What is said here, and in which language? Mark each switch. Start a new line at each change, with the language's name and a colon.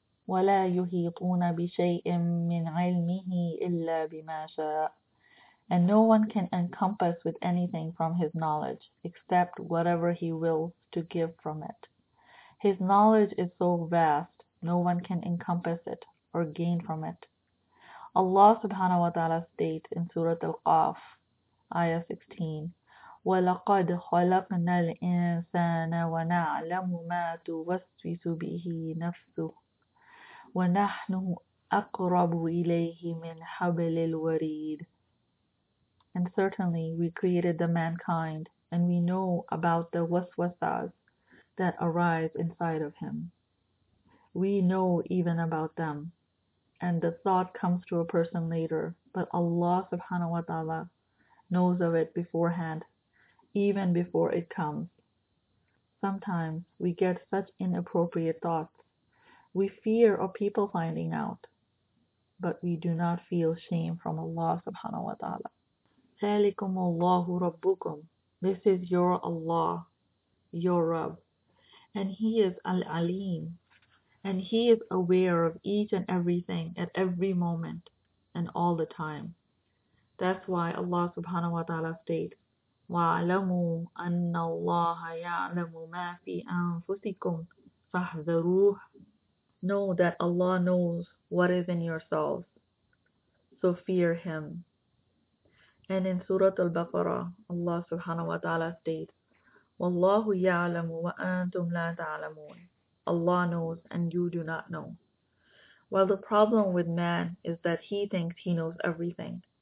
Arabic: وَلَا يُحِيطُونَ بِشَيْءٍ مِّنْ عِلْمِهِ إِلَّا بِمَا شَاءَ.
English: And no one can encompass with anything from his knowledge, except whatever he wills to give from it. His knowledge is so vast, no one can encompass it or gain from it. Allah subhanahu wa ta'ala states in Surah Al-Qaf, Ayah 16,
Arabic: وَلَقَدْ خَلَقْنَا الْإِنسَانَ وَنَعْلَمُ مَا تُوَسْوِسُ بِهِ نَفْسُهُ وَنَحْنُ أَقْرَبُ إِلَيْهِ مِنْ حَبْلِ الْوَرِيدِ.
English: And certainly we created the mankind, and we know about the waswasas that arise inside of him. We know even about them, and the thought comes to a person later, but Allah subhanahu wa ta'ala knows of it beforehand, even before it comes. Sometimes we get such inappropriate thoughts. We fear of people finding out, but we do not feel shame from Allah subhanahu wa ta'ala.
Arabic: ذلكم الله ربكم.
English: This is your Allah, your Rabb. And He is Al-Aleem. And He is aware of each and everything at every moment and all the time. That's why Allah subhanahu wa ta'ala states,
Arabic: وَعْلَمُوا أَنَّ اللَّهَ يَعْلَمُ مَا فِي أَنفُسِكُمْ فَاحْذَرُوهُ.
English: Know that Allah knows what is in yourselves, so fear Him. And in Surah Al-Baqarah, Allah subhanahu wa ta'ala states,
Arabic: وَاللَّهُ يَعْلَمُ وَأَنْتُمْ لَا تَعْلَمُونَ.
English: Allah knows and you do not know. Well, the problem with man is that he thinks he knows everything.